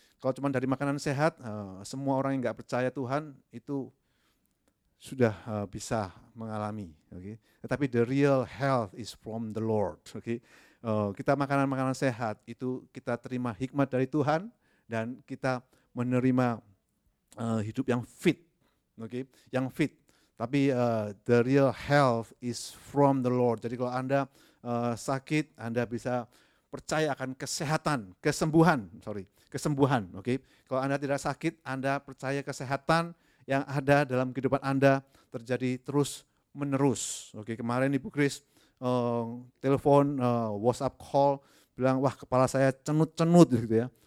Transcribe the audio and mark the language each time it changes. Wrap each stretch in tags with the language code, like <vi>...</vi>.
<id>Kalau cuma dari makanan sehat, semua orang yang nggak percaya Tuhan itu sudah bisa mengalami, oke? Tetapi</id> <en>the real health is from the Lord, oke?</en> <id>Kita makanan sehat itu kita terima hikmat dari Tuhan dan kita menerima hidup yang fit, oke? Yang fit. Tapi</id> <en>the real health is from the Lord.</en> <id>Jadi kalau Anda sakit, Anda bisa percaya akan kesembuhan. Oke. Okay? Kalau Anda tidak sakit, Anda percaya kesehatan yang ada dalam kehidupan Anda terjadi terus menerus. Oke. Okay? Kemarin Ibu Chris telepon WhatsApp call bilang, wah kepala saya cenut gitu ya.</id>